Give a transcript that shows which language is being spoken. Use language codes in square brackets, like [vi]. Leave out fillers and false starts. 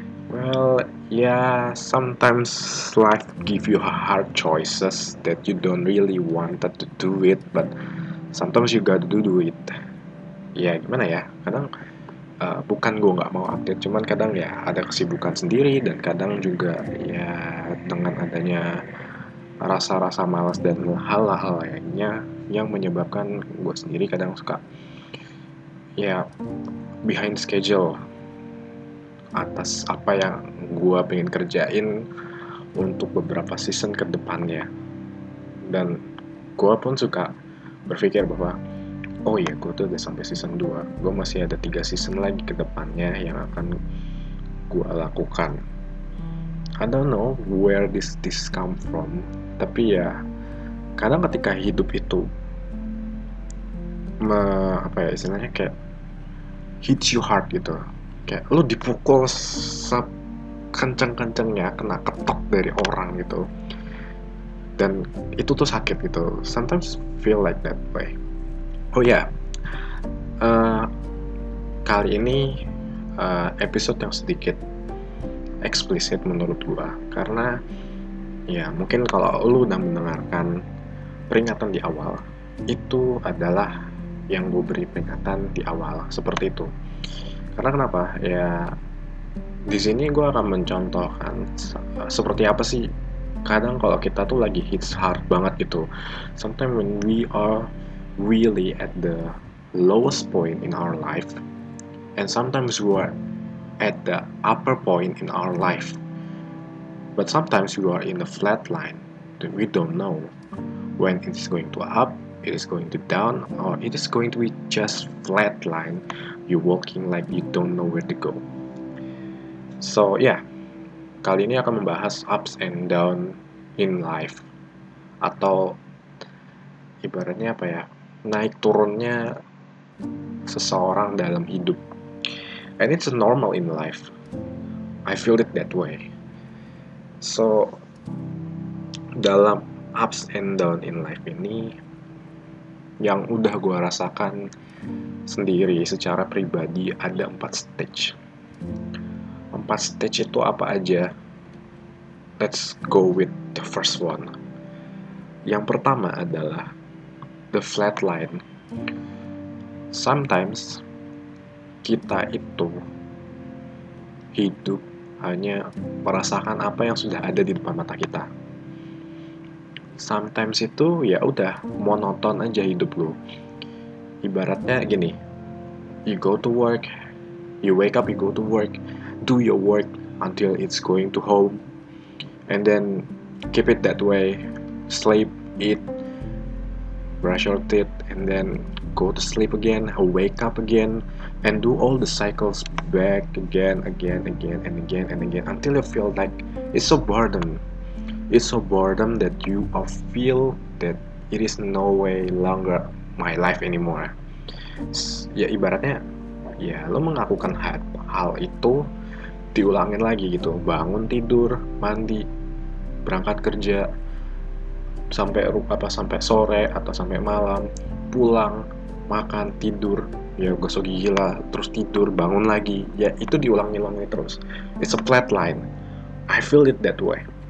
[en] Well, sometimes life give you hard choices that you don't really wanted to do it, but sometimes you gotta do it. [id] Ya, gimana ya? Kadang bukan gue gak mau update, cuman kadang ya ada kesibukan sendiri dan kadang juga ya dengan adanya rasa-rasa malas dan hal-hal lainnya yang menyebabkan gue sendiri kadang suka ya [en] behind schedule [id] atas apa yang gue pengen kerjain untuk beberapa season ke depannya. Dan gue pun suka berpikir bahwa oh iya, gue tuh udah sampai season 2. Gue masih ada 3 season lagi ke depannya yang akan gue lakukan. [en] I don't know where this come from. [id] Tapi ya, kadang ketika hidup itu istilahnya kayak [en] hits you hard [id] gitu. Kayak lo dipukul sekencang-kencangnya, kena ketok dari orang gitu. Dan itu tuh sakit gitu. [en] Sometimes feel like that way. [id] Oh ya, kali ini episode yang sedikit eksplisit menurut gua, karena ya mungkin kalau lu udah mendengarkan peringatan di awal, itu adalah yang gua beri peringatan di awal seperti itu. Karena kenapa? Ya di sini gua akan mencontohkan seperti apa sih kadang kalau kita tuh lagi [en] hits hard [id] banget gitu. [en] Sometimes when we are really at the lowest point in our life, and sometimes we are at the upper point in our life, but sometimes we are in the flat line that we don't know when it is going to up, it is going to down, or it is going to be just flat line, you're walking like you don't know where to go. [id] So yeah, kali ini akan membahas [en] ups and down in life, [id] atau ibaratnya apa ya, naik turunnya seseorang dalam hidup. [en] And it's normal in life. I feel it that way. [id] So, dalam [en] ups and down in life [id] ini, yang udah gue rasakan sendiri secara pribadi, ada 4 stage. 4 stage itu apa aja? [en] Let's go with the first one. [id] Yang pertama adalah [en] the flat line. [id] Sometimes kita itu hidup hanya merasakan apa yang sudah ada di depan mata kita. Sometimes itu ya udah monoton aja hidup lo. Ibaratnya gini, [en] you go to work, you wake up, you go to work, do your work until it's going to home, and then keep it that way, sleep, eat, brush your teeth, and then go to sleep again, wake up again, and do all the cycles back again, again, again, and again, and again, until you feel like it's so boredom. It's so boredom that you feel that it is no way longer my life anymore. [id] Ya, ibaratnya, ya, lo mengakukan hal itu, diulangin lagi gitu, bangun tidur, mandi, berangkat kerja, sampai sore atau sampai malam, pulang, makan, tidur, ya gosok gigi lah, terus tidur, bangun lagi, ya itu diulang-ulangnya terus. [en] It's a flat line. I feel it that way.